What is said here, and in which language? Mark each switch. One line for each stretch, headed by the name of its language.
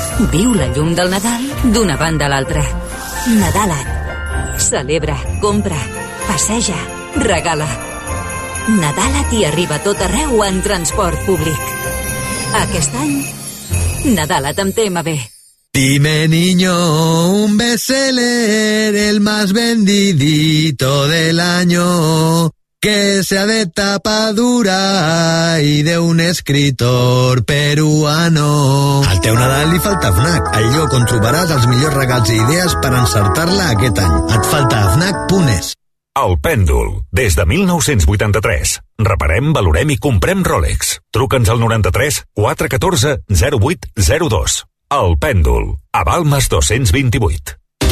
Catalan: Viu la llum del Nadal d'una banda a l'altra. Nadala't. Celebra, compra, passeja, regala. Nadala't i arriba tot arreu en transport públic. Aquest any, Nadala't amb TMB.
Spanish: Dime, niño, un best-seller, el más vendidito del año, que sea de tapa dura y de un escritor peruano.
Catalan: Al teu Nadal li falta FNAC, el lloc on trobaràs els millors regals i idees per encertar-la aquest any. Et falta FNAC.es. El Pèndol, des de 1983. Reparem, valorem i comprem Rolex. Truca'ns al 93 414 0802. El Pèndol, a Balmes 228.